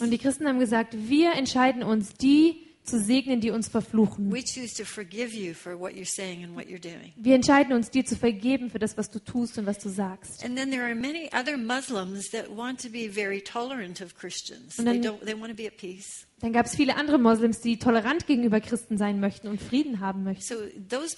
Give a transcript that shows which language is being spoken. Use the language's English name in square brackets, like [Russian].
[German] Und die Christen haben gesagt, wir entscheiden uns, die zu segnen, die uns verfluchen. [English] We choose to forgive you for what you're saying and what you're doing. [German] Wir entscheiden uns, dir zu vergeben für das, was du tust und was du sagst. [English] And then there are many other Muslims that want to be very tolerant of Christians. They want to be at peace. [German] Dann gab es viele andere Moslems, die tolerant gegenüber Christen sein möchten und Frieden haben möchten.